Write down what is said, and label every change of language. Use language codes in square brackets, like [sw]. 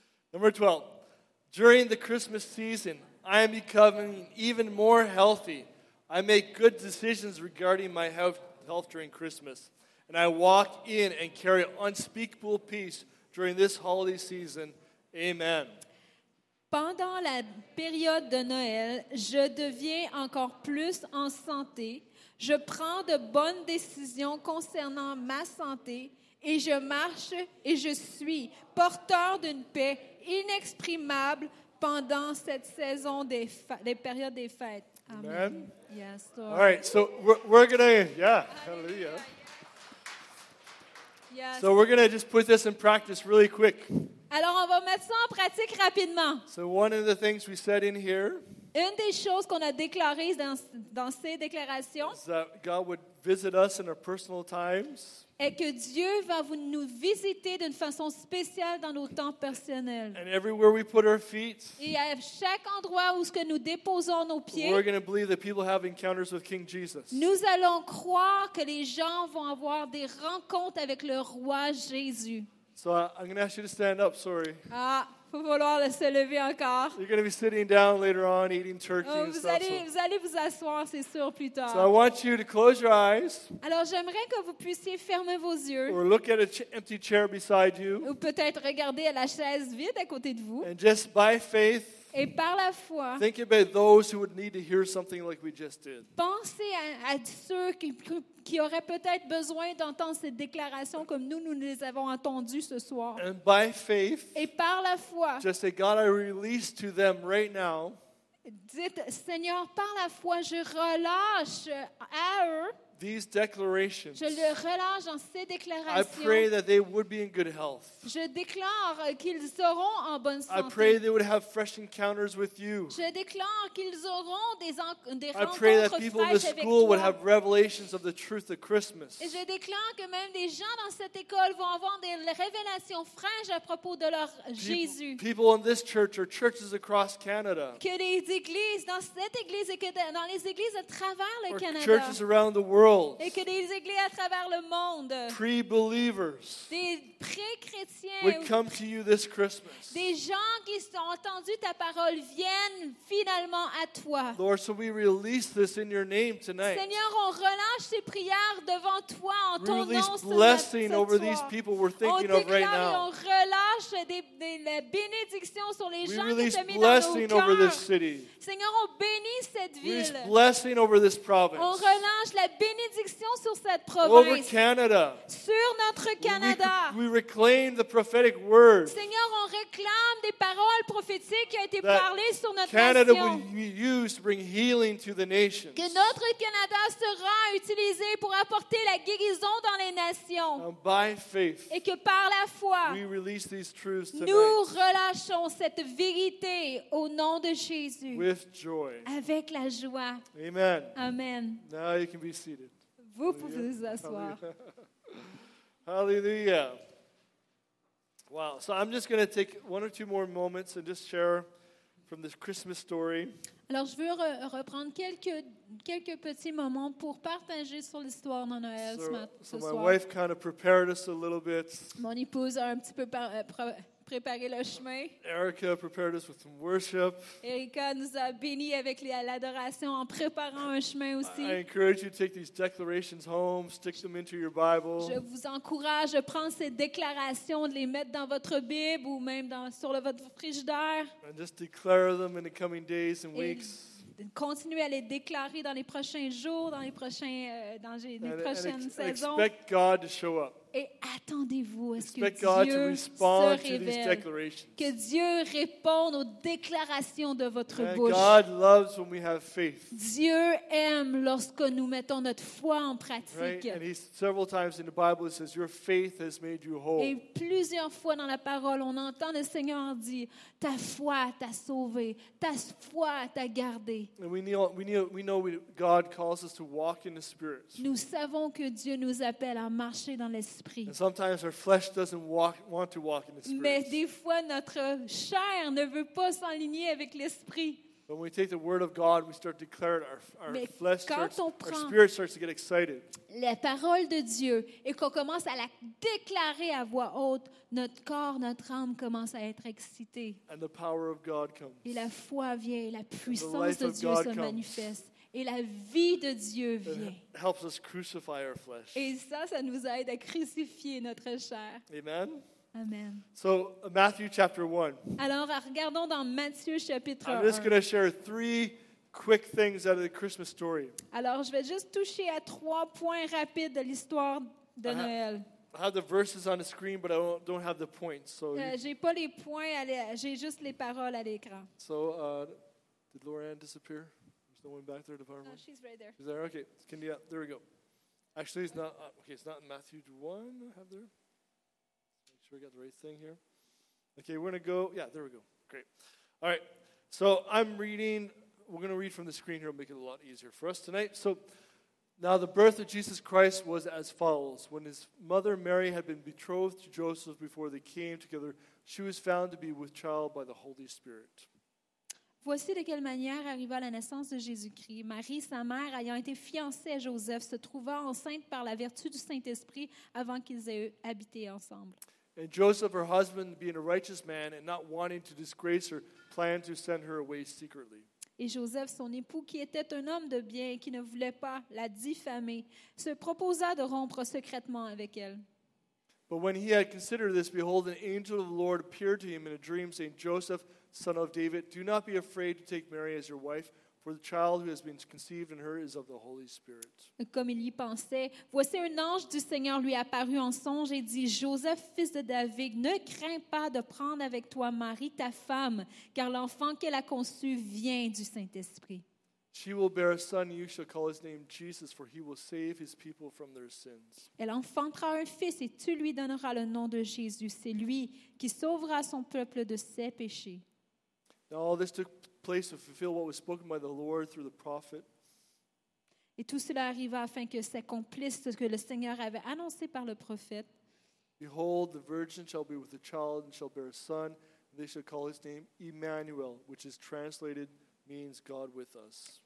[en] Number 12, during the Christmas season, I am becoming even more healthy. I make good decisions regarding my health during Christmas, and I walk in and carry unspeakable peace during this holiday season. Amen. [fr] Pendant la période de Noël, je deviens encore plus en santé. Je prends de bonnes décisions concernant ma santé et je marche et je suis porteur d'une paix inexprimable pendant cette saison des périodes des fêtes. Amen. [en] Yes, Lord. All right, so we're going to, hallelujah. Yes. So we're going to just put this in practice really quick. [fr] Alors, on va mettre ça en pratique rapidement. [en] So one of the things we said in here, [fr] une des choses qu'on a déclarées dans ces déclarations, [en] is that God would visit us in our personal times, [fr] est que Dieu va nous visiter d'une façon spéciale dans nos temps personnels. [en] And everywhere we put our feet, [fr] et à chaque endroit où ce que nous déposons nos pieds, [en] we're going to believe that people have encounters with King Jesus. [fr] Nous allons croire que les gens vont avoir des rencontres avec le roi Jésus. [en] So I'm going to ask you to stand up, sorry. [fr] Ah, faut vouloir se lever encore. [en] You're going to be sitting down later on, eating turkey and stuff. [fr] Vous allez vous asseoir, c'est sûr, plus tard. [en] So I want you to close your eyes. [fr] Alors, j'aimerais que vous puissiez fermer vos yeux. [en] Or look at an empty chair beside you. [fr] Ou peut-être regarder la chaise vide à côté de vous. [en] And just by faith, [fr] et par la foi, [en] think about those who would need to hear something like we just did. [fr] Pensez à ceux qui auraient peut-être besoin d'entendre cette déclaration comme nous les avons entendues ce soir. [en] And by faith, [fr] et par la foi, [en] just say, God, I release to them right now. [fr] Dites, Seigneur, par la foi, je relâche à eux. [en] These declarations. [fr] Je le relâche dans ces déclarations. [en] I pray that they would be in good health. [fr] Je déclare qu'ils seront en bonne santé. [en] I pray they would have fresh encounters with you. [fr] Je déclare qu'ils auront des rencontres fraîches. [en] I pray that people in the school would have revelations of the truth of Christmas. [fr] Et je déclare que même des gens dans cette école vont avoir des révélations fraîches à propos de leur Jésus. [en] People in this church or churches across Canada. [fr] Que les églises dans cette église et que dans les églises à travers le Canada. [en] Or churches around the world. [fr] Et que des églises à travers le monde, [en] pre-believers, [fr] des pré-chrétiens, [en] would come to you this Christmas. [fr] Des gens qui ont entendu ta parole viennent finalement à toi. [en] Lord, so we release this in your name tonight. [fr] Seigneur, on relâche ces prières devant toi en ton nom. [en] We release blessing over these people we're thinking of right now. [fr] On relâche des bénédictions sur les gens qui te mettent dans nos cœurs. [en] We release over this city. [fr] Seigneur, on bénit cette ville. [en] We release blessing over this province. [fr] On relâche la bénédiction sur cette province. [en] Over Canada. [fr] Sur notre Canada. [en] We reclaim the prophetic word. [fr] Seigneur, on réclame des paroles prophétiques qui ont été parlées sur notre Canada [en] nation. Canada will be used to bring healing to the nations. [fr] Que notre Canada sera utilisé pour apporter la guérison dans les nations. [en] And by faith. [fr] Et que par la foi, [en] we release these truths tonight. [fr] Nous relâchons cette vérité au nom de Jésus. [en] With joy. [fr] Avec la joie. Amen. Amen. [en] Now you can be seated. [fr] Vous pouvez vous asseoir. [en] Hallelujah. Wow. So I'm just going to take one or two more moments and just share from this Christmas story. [fr] Alors, je veux reprendre quelques petits moments pour partager sur l'histoire de Noël ce matin. [en] So my wife kind of prepared us a little bit. [fr] Mon épouse a un petit peu préparé le chemin. [en] Erica prepared us with some worship. [fr] Erica nous a béni avec l'adoration en préparant un chemin aussi. [en] I encourage you to take these declarations home, stick them into your Bible. [fr] Je vous encourage à prendre ces déclarations, de les mettre dans votre Bible ou même sur votre frigidaire. [en] And just declare them in the coming days and weeks. [fr] Continuez à les déclarer dans les prochains jours, dans les prochaines saisons. [en] Expect God to show up. [fr] Et attendez-vous à ce [en] expect God to respond to these declarations. [fr] Que Dieu réponde aux déclarations de votre bouche. [en] God loves when we have faith. [fr] Dieu aime lorsque nous mettons notre foi en pratique. [en] Right? And several times in the Bible it says your faith has made you whole. [fr] Et plusieurs fois dans la parole on entend le Seigneur dire ta foi t'a sauvé, ta foi t'a gardé. [en] And we know God calls us to walk in the Spirit. [fr] Nous savons que Dieu nous appelle à marcher dans l'Esprit. [en] And sometimes our flesh doesn't want to walk in the Spirit. Mais des fois, notre chair ne veut pas s'aligner avec l'Esprit. When we take the word of God, we start to declare it. Our [fr] Mais [en] flesh [fr] quand [en] starts, [fr] on prend [en] our spirit starts to get excited. [fr] La parole de Dieu et qu'on commence à la déclarer à voix haute, notre corps, notre âme commence à être excité. [en] And the power of God comes. [fr] Et la foi vient, la puissance de Dieu se manifeste. Et la vie de Dieu vient. [en] It helps us crucify our flesh. [fr] Et ça, ça nous aide à crucifier notre chair. Amen. Amen. [en] So, Matthew chapter 1. [fr] Alors, regardons dans Matthieu chapitre 1. [en] I'm just going to share three quick things out of the Christmas story. [fr] Alors, je vais juste toucher à trois points rapides de l'histoire de Noël. [en] I have the verses on the screen, but I don't have the points. So [fr] j'ai pas les points, j'ai juste les paroles à l'écran. [en] So, did Lauren disappear? Someone back there, the power No, one? She's right there. Is there? Okay. Can you, there we go. Actually, it's not. Okay, it's not in Matthew 1 I have there. Make sure we got the right thing here. Okay, we're going to go. Yeah, there we go. Great. All right. So I'm reading. We're going to read from the screen here. It'll make it a lot easier for us tonight. So now the birth of Jesus Christ was as follows. When his mother Mary had been betrothed to Joseph before they came together, she was found to be with child by the Holy Spirit. [fr] Voici de quelle manière arriva la naissance de Jésus-Christ. Marie, sa mère, ayant été fiancée à Joseph, se trouva enceinte par la vertu du Saint-Esprit avant qu'ils aient habité ensemble. [en] And Joseph, her husband, being a righteous man and not wanting to disgrace her, planned to send her away secretly. [fr] Et Joseph, son époux, qui était un homme de bien et qui ne voulait pas la diffamer, se proposa de rompre secrètement avec elle. [en] But when he had considered this, behold, an angel of the Lord appeared to him in a dream, saying, Joseph, son of David, do not be afraid to take Mary as your wife, for the child who has been conceived in her is of the Holy Spirit. [fr] Comme il y pensait, voici un ange du Seigneur lui apparut en songe et dit, Joseph, fils de David, ne crains pas de prendre avec toi Marie, ta femme, car l'enfant qu'elle a conçu vient du Saint-Esprit. [en] She will bear a son, you shall call his name Jesus, for he will save his people from their sins. [fr] Elle enfantera un fils et tu lui donneras le nom de Jésus. C'est lui qui sauvera son peuple de ses péchés. [en] All this took place to fulfill what was spoken by the Lord through the prophet. [fr] Et tout cela arriva afin que s'accomplisse ce que le Seigneur avait annoncé par le prophète. [en] Behold, the virgin shall be with a child and shall bear a son, and they shall call his name Emmanuel, which is translated means God with us.